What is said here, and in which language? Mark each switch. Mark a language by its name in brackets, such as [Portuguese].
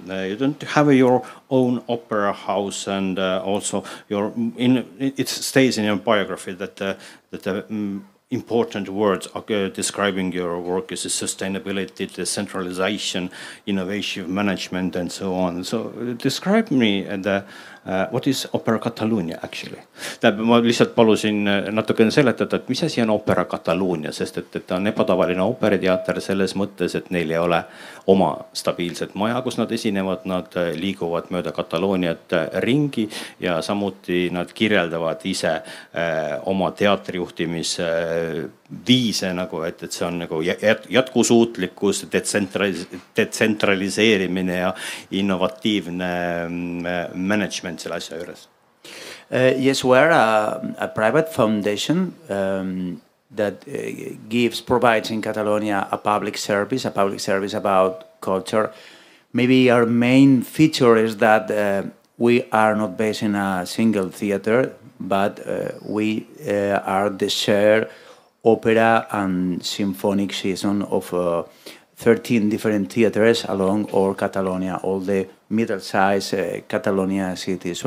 [English] You don't have your own opera house, and also your it stays in your biography that the important words are describing your work is sustainability, decentralization, innovative management, and so on. So describe me the what is Opera Catalunya actually? [Estonian] Ma lihtsalt palusin natukene seletada, et mis asi on Opera Catalunya, sest et ta on epatavaline operiteater selles mõttes, et neil ei ole oma stabiilset maja, kus nad esinevad, nad liiguvad mööda Kataloniat ringi ja samuti nad kirjeldavad ise oma teatrijuhtimise viise, nagu, et see on nagu jätkusuutlikkus, detsentraliseerimine ja innovatiivne management selle asja juures. [English] Yes, we are a private foundation that provides in Catalonia a public service about culture. Maybe our main feature is that we are not based in a single theater, but we are the shared opera and symphonic season of 13 different theaters along all Catalonia, all the middle-sized Catalonia cities.